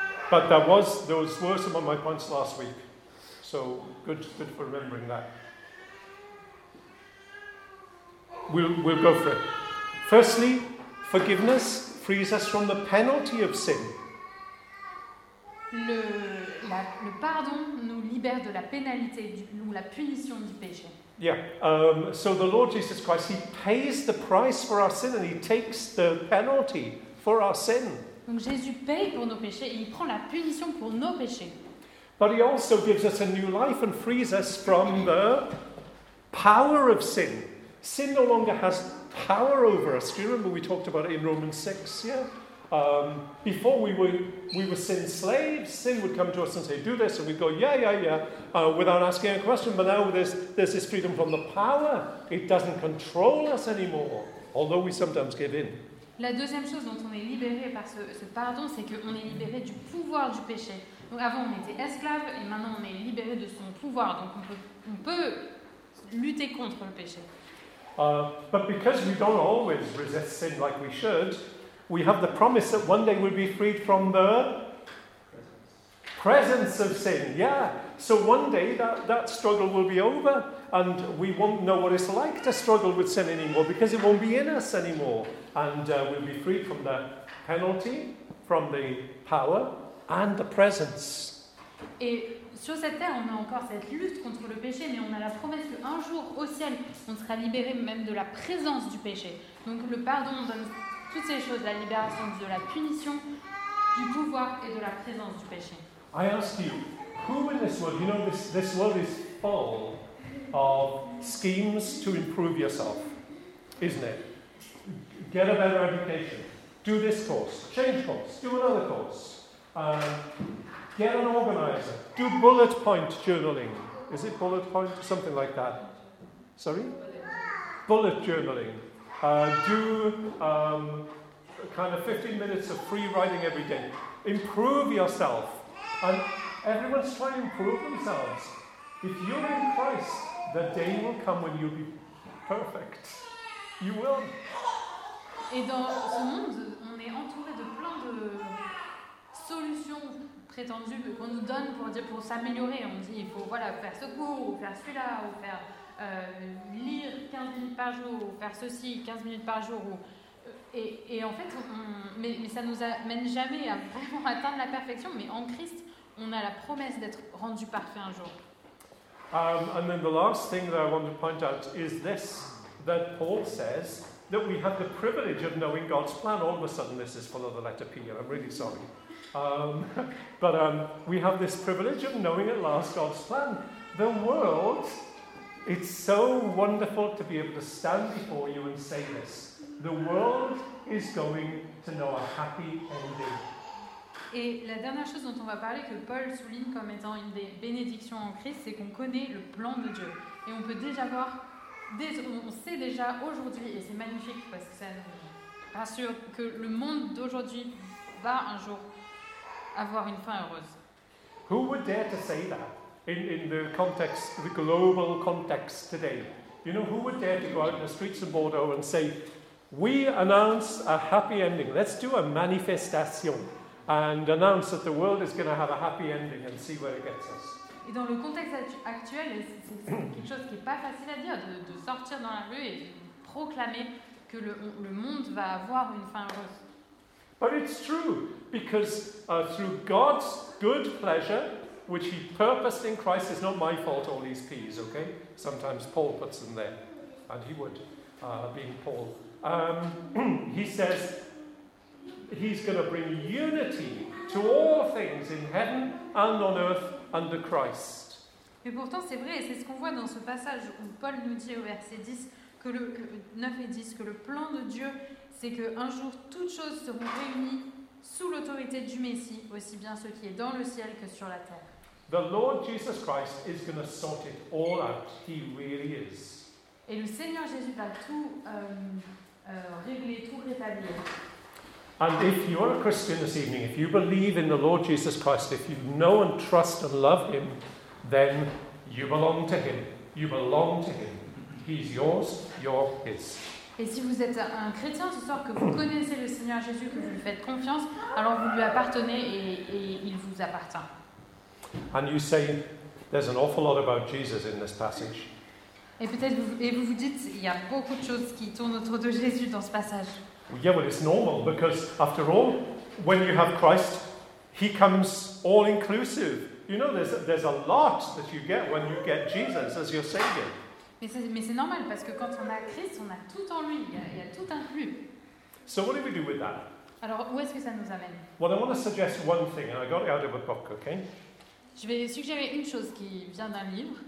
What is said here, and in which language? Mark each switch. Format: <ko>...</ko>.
<en>But those were some of my points last week. So good for remembering that. We'll go for it. Firstly, forgiveness frees us from the penalty of sin.</en> <fr>Le pardon nous libère de la pénalité ou la punition du péché.</fr> <en>Yeah. So the Lord Jesus Christ, he pays the price for our sin and he takes the penalty for our sin.</en> <fr>Donc Jésus paye pour nos péchés et il prend la punition pour nos péchés.</fr> <en>But he also gives us a new life and frees us from the power of sin. Sin no longer has power over us. Do you remember we talked about it in Romans 6? Yeah. Before we were sin slaves. Sin would come to us and say, "Do this," and we'd go, "Yeah," without asking a question. But now there's this freedom from the power. It doesn't control us anymore. Although we sometimes give in.</en> <fr>La deuxième chose dont on est libéré par ce pardon, c'est qu'on est libéré du pouvoir du péché. Donc avant on était esclave et maintenant on est libéré de son pouvoir. Donc on peut lutter contre le péché.</fr> <en>But because we don't always resist sin like we should, we have the promise that one day we'll be freed from the presence of sin. Yeah. So one day that struggle will be over and we won't know what it's like to struggle with sin anymore because it won't be in us anymore. And we'll be freed from the penalty, from the power and the presence.</en> <fr>Et sur cette terre, on a encore cette lutte contre le péché, mais on a la promesse qu'un jour, au ciel, on sera libéré même de la présence du péché. Donc le pardon donne toutes ces choses, la libération de la punition, du pouvoir et de la présence du péché.</fr> <en>I ask you, who in this world, you know, this world is full of schemes to improve yourself, isn't it? Get a better education, do this course, change course, do another course. Get an organizer. Do bullet point journaling. Is it bullet point? Something like that. Sorry? Bullet journaling. Do kind of 15 minutes of free writing every day. Improve yourself. And everyone's trying to improve themselves. If you're in Christ, the day will come when you'll be perfect. You will.</en> <fr>Et dans ce monde, on est entouré de plein de solutions prétendu qu'on nous donne pour dire pour s'améliorer. On dit il faut voilà faire ce cours ou faire celui-là ou faire lire 15 minutes par jour ou faire ceci 15 minutes par jour ou et en fait mais ça nous amène jamais à vraiment atteindre la perfection. Mais en Christ on a la promesse d'être rendu parfait un jour.</fr> <en>And then the last thing that I want to point out is this, that Paul says that we have the privilege of knowing God's plan. All of a sudden this is full of the letter P and I'm really sorry. But we have this privilege of knowing at last God's plan. The world, it's so wonderful to be able to stand before you and say this. The world is going to know a happy ending.</en> <fr>Et la dernière chose dont on va parler, que Paul souligne comme étant une des bénédictions en Christ, c'est qu'on connaît le plan de Dieu. Et on peut déjà voir, on sait déjà aujourd'hui, et c'est magnifique parce que ça nous rassure, que le monde d'aujourd'hui va un jour avoir une fin heureuse.</fr> <en>Who would dare to say that in the context, the global context today? You know, who would dare to go out in the streets of Bordeaux and say, we announce a happy ending. Let's do a manifestation and announce that the world is going to have a happy ending and see where it gets us.</en> <fr>Et dans le contexte actuel, c'est quelque chose qui n'est pas facile à dire, de sortir dans la rue et de proclamer que le monde va avoir une fin heureuse.</fr> <en>But it's true because through God's good pleasure, which He purposed in Christ, it's not my fault all these P's, okay? Sometimes Paul puts them there, and he would, being Paul. He says he's going to bring unity to all things in heaven and on earth under Christ.</en> <fr>Mais pourtant, c'est vrai, et c'est ce qu'on voit dans ce passage où Paul nous dit au verset 10, que le, 9 et 10, que le plan de Dieu, c'est qu'un jour, toutes choses seront réunies sous l'autorité du Messie, aussi bien ce qui est dans le ciel que sur la terre.</fr> <en>The Lord Jesus Christ is going to sort it all out. He really is.</en> <fr>Et le Seigneur Jésus va tout régler, tout rétablir.</fr> <en>And if you are a Christian this evening, if you believe in the Lord Jesus Christ, if you know and trust and love Him, then you belong to Him. You belong to Him. He's yours, you're His.</en> <fr>Et si vous êtes un chrétien ce soir, que vous connaissez le Seigneur Jésus, que vous lui faites confiance, alors vous lui appartenez et il vous appartient.</fr> <en>And you say, there's an awful lot about Jesus in this passage.</en> <fr>Et peut-être vous dites, il y a beaucoup de choses qui tournent autour de Jésus dans ce passage.</fr> <en>Well, yeah, well, it's normal, because after all, when you have Christ, He comes all-inclusive. You know, there's a lot that you get when you get Jesus as your Savior.</en> <fr>Mais c'est normal, parce que quand on a Christ, on a tout en lui, il y a tout inclus.</fr> <en>So what do we do with that?</en> <fr>Alors, où est-ce que ça nous amène?</fr> <en>Well, I want to suggest one thing, and I got it out of a book, okay?</en> <fr>Je vais suggérer une chose qui vient d'un livre.</fr>